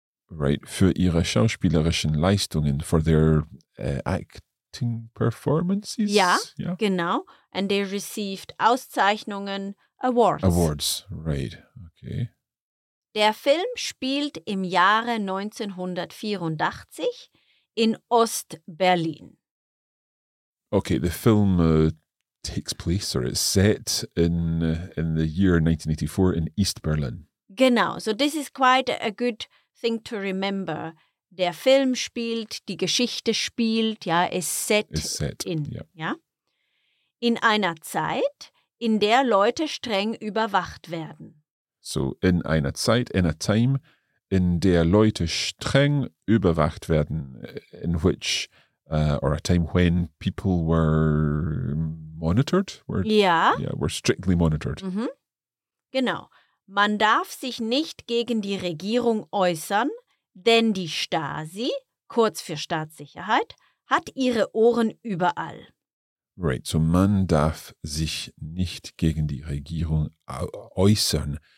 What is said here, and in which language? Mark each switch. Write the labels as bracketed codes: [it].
[en] Right, [de] für ihre schauspielerischen Leistungen, [en] for their act. Performances? [de] Ja, [en] yeah. [de] Genau. [en] And they received Auszeichnungen, Awards. Awards, right. Okay. [de] Der Film spielt im Jahre 1984 in Ost-Berlin. [en] Okay, the film takes place or it's set in the year 1984 in East Berlin. [de] Genau, [en] so this is quite a good thing to remember. [de] Der Film spielt, die Geschichte spielt, ja, is set in, [en] yep. [de] Ja. In einer Zeit, in der Leute streng überwacht werden. [en] So, [de] in einer Zeit, [en] in a time, [de] in der Leute streng überwacht werden, [en] in which, or a time when people were monitored? [de] Ja. [en] Yeah, were strictly monitored. [de] Mhm. Genau. Man darf sich nicht gegen die Regierung äußern, denn die Stasi, kurz für Staatssicherheit, hat ihre Ohren überall. [en] Right, so [de] man darf sich nicht gegen die Regierung äußern.